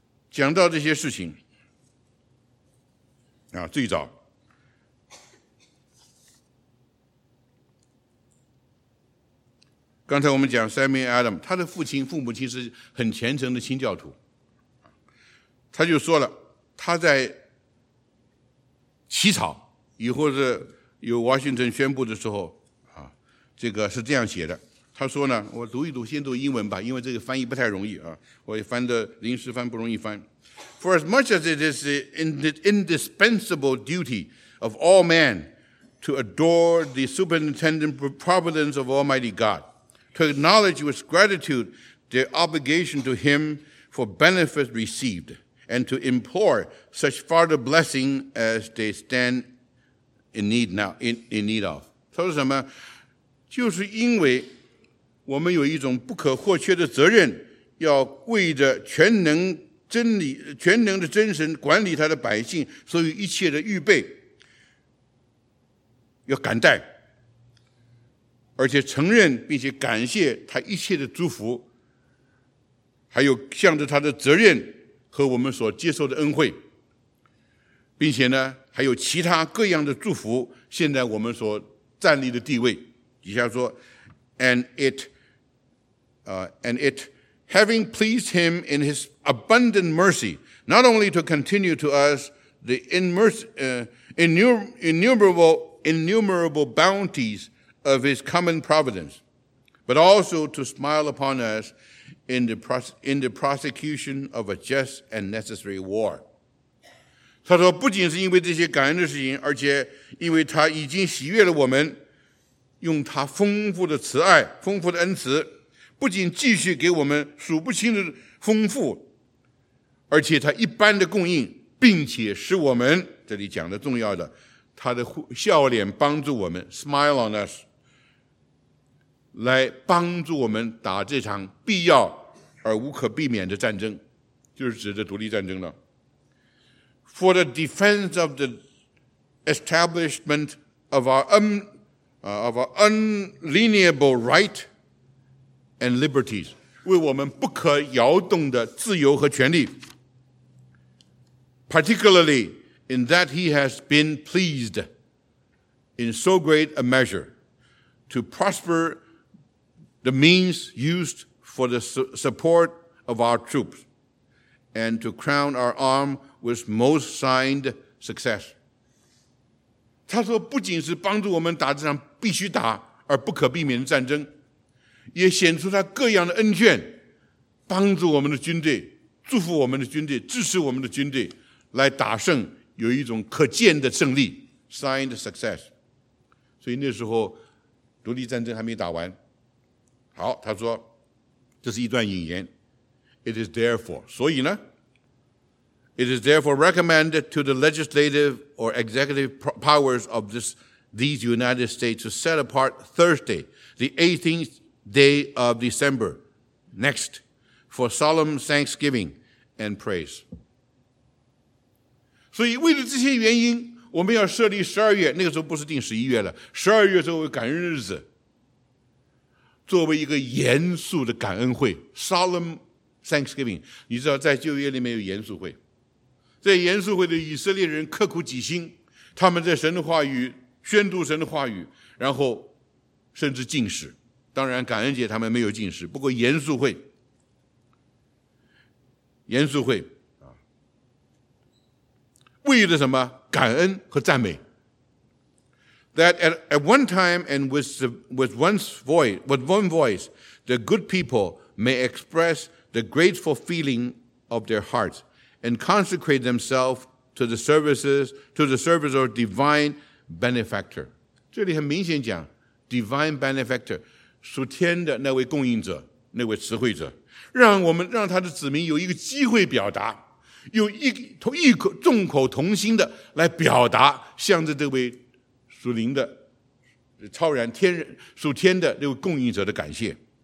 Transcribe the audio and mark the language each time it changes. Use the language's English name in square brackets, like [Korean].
[Chinese] 讲到这些事情啊，最早刚才我们讲 Samuel Adam， 他的父亲父母亲是很虔诚的清教徒，他就说了他在起草以后是由 Washington 宣布的时候啊，这个是这样写的，他说呢，我读一读，先读英文吧，因为这个翻译不太容易啊，我翻的临时翻不容易翻。 [English] For as much as it is the indispensable duty of all men to adore the superintendent providence of Almighty GodTo acknowledge with gratitude their obligation to him for benefits received, and to implore such further blessing as they stand in need now, in need of. [Chinese] 他说什么？就是因为我们有一种不可或缺的责任，要为着全能真理、全能的真神管理他的百姓，所以一切的预备要感戴。而且承认并且感谢他一切的祝福，还有向着他的责任和我们所接受的恩惠，并且呢，还有其他各样的祝福，现在我们所站立的地位。以下说 [English] And it having pleased him in his abundant mercy, not only to continue to us the innumerable bounties of his common providence, but also to smile upon us in the prosecution of a just and necessary war. [Chinese] 他说不仅是因为这些感恩的事情，而且因为他已经喜悦了我们，用他丰富的慈爱，丰富的恩慈，不仅继续给我们数不清的丰富，而且他一般的供应，并且使我们，这里讲的重要的，他的笑脸帮助我们 [English] smile on us， [Chinese] 来帮助我们打这场必要而无可避免的战争，就是指的独立战争了。 [English] For the defense of the establishment of our unalienable right and liberties， [Chinese] 为我们不可摇动的自由和权利。 [English] Particularly in that he has been pleased in so great a measure to prosper the means used for the support of our troops and to crown our arm with most signed success. [Chinese] 他说不仅是帮助我们打这场必须打而不可避免的战争，也显出他各样的恩眷，帮助我们的军队，祝福我们的军队，支持我们的军队来打胜，有一种可见的胜利 [English] signed success。 [Chinese] 所以那时候独立战争还没打完。好，他说这是一段引言。 [English] It is therefore， [Chinese] 所以呢， [English] It is therefore recommended to the legislative or executive powers of these United States to set apart Thursday, the 18th day of December next for solemn thanksgiving and praise。 [Chinese] 所以为了这些原因，我们要设立十二月，那个时候不是定十一月了，十二月作为感恩日子，作为一个严肃的感恩会 [English] Solemn Thanksgiving。 [Chinese] 你知道在旧约里面有严肃会，在严肃会的以色列人刻苦己心，他们在神的话语宣读神的话语，然后甚至禁食，当然感恩节他们没有禁食，不过严肃会，严肃会为了什么？感恩和赞美。 [English] That at one time and with one voice, the good people may express the grateful feeling of their hearts and consecrate themselves to the service of divine benefactor. [Chinese] 这里很明显讲 ， [English] divine benefactor， [Chinese] 属天的那位供应者，那位慈惠者，让他的子民有一个机会表达。有众口同心的来表达，向着这位属灵的、超然天人、属天的这位供应者的感谢。